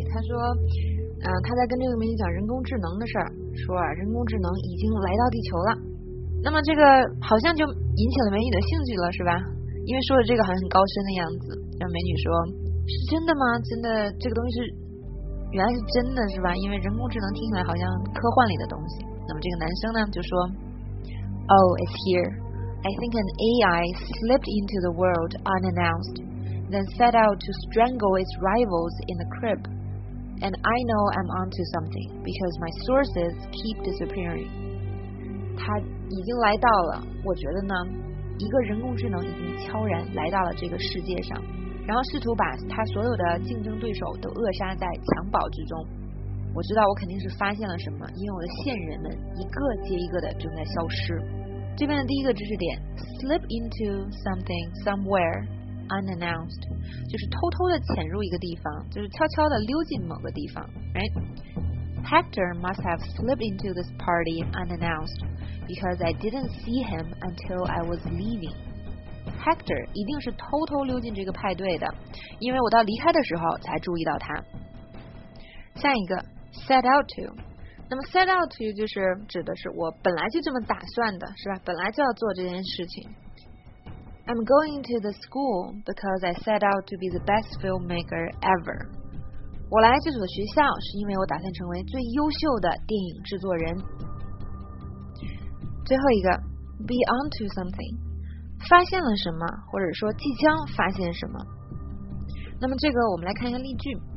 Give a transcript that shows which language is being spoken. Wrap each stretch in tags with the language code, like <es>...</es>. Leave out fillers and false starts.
<zh>他说，他在跟这个美女讲人工智能的事儿，说啊，人工智能已经来到地球了。那么这个好像就引起了美女的兴趣了，是吧？因为说的这个好像很高深的样子。然后美女说，是真的吗？真的，这个东西是原来是真的，是吧？因为人工智能听起来好像科幻里的东西。那么这个男生呢，就说</zh> <en>Oh, it's here. I think an AI slipped into the world unannounced, then set out to strangle its rivals in the crib. And I know I'm onto something, because my sources keep disappearing.</en> <zh>他已经来到了，我觉得呢，一个人工智能已经悄然来到了这个世界上，然后试图把他所有的竞争对手都扼杀在襁褓之中。我知道我肯定是发现了什么，因为我的线人们一个接一个的正在消失。这边的第一个知识点 slip into something somewhere unannounced， 就是偷偷的潜入一个地方，就是悄悄的溜进某个地方， right?</zh> <en>Hector must have slipped into this party unannounced because I didn't see him until I was leaving.</en> <zh>Hector 一定是偷偷溜进这个派对的，因为我到离开的时候才注意到他。下一个set out to， 那么 set out to 就是指的是我本来就这么打算的，是吧？本来就要做这件事情。</zh> <en>I'm going to the school because I set out to be the best filmmaker ever。</en> <zh>我来这所学校是因为我打算成为最优秀的电影制作人。最后一个 be on to something， 发现了什么，或者说即将发现什么。那么这个我们来看一下例句。</zh>